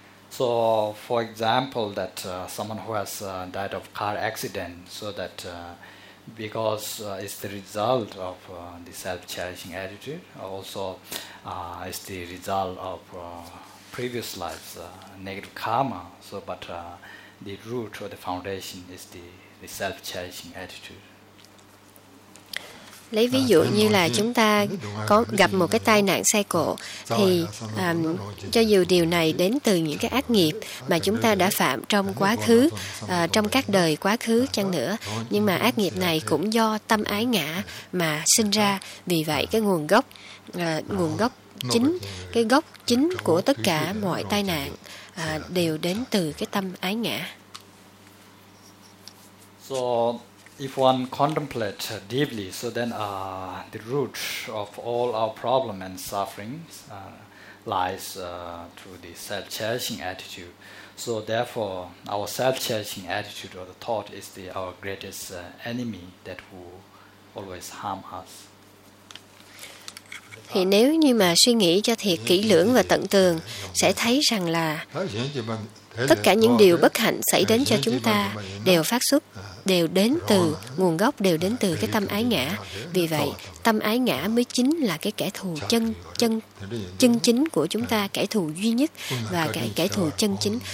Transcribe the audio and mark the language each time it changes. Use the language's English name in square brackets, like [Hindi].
[English] So, for example, that someone who has died of car accident, so that because it's the result of the self-cherishing attitude, also it's the result of previous life's negative karma. So, but the root or the foundation is the self-cherishing attitude. [Vietnamese] Lấy ví dụ như là chúng ta có gặp một cái tai nạn xe cộ thì cho dù điều này đến từ những cái ác nghiệp mà chúng ta đã phạm trong quá khứ, trong các đời quá khứ chăng nữa, nhưng mà ác nghiệp này cũng do tâm ái ngã mà sinh ra. Vì vậy cái nguồn gốc chính của tất cả mọi tai nạn đều đến từ cái tâm ái ngã. [English] So if one contemplates deeply, so then the root of all our problems and sufferings lies through the self-cherishing attitude. So therefore, our self-cherishing attitude or the thought is our greatest enemy that will always harm us. [Vietnamese] Thì nếu như mà suy nghĩ cho thiệt kỹ lưỡng và tận tường, sẽ thấy rằng là tất cả những điều bất hạnh xảy đến cho chúng ta đều phát xuất, đều đến từ nguồn gốc, đều đến từ cái tâm ái ngã. Vì vậy, tâm ái ngã mới chính là cái kẻ thù chân chính của chúng ta, kẻ thù duy nhất và kẻ thù chân chính.